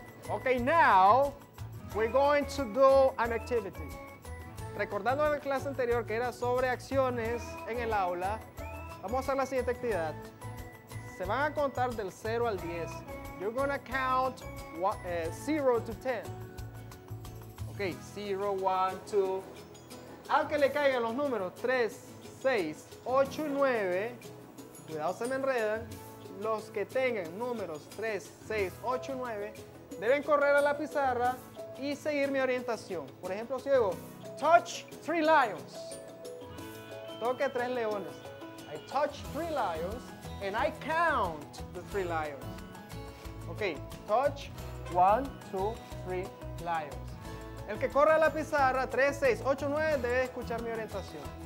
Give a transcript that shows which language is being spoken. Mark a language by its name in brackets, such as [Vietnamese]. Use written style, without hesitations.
[English] Okay, now we're going to do an activity. [Spanish] Recordando la clase anterior que era sobre acciones en el aula, vamos a hacer la siguiente actividad. Se van a contar del 0 al 10. [English] You're going to count 0 to 10. [Spanish] Ok, 0, 1, 2. Al que le caigan los números 3, 6, 8 y 9, cuidado se me enredan, los que tengan números 3, 6, 8 y 9, deben correr a la pizarra y seguir mi orientación. Por ejemplo, si digo, [English] touch three lions. [Spanish] Toque tres leones. [English] I touch three lions and I count the three lions. Okay, touch one, two, three lions. [Spanish] El que corre a la pizarra, 3, 6, 8, 9, debe escuchar mi orientación.